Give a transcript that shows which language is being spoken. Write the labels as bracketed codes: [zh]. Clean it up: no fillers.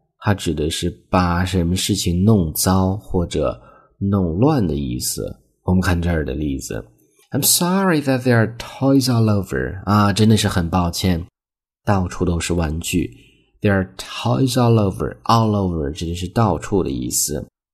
[zh] 它指的是把什么事情弄糟或者弄乱的意思。我们看这儿的例子。 [en] I'm sorry that there are toys all over. [zh] 啊，真的是很抱歉，到处都是玩具。 [en] There are toys all over. [zh] All over 指的是到处的意思。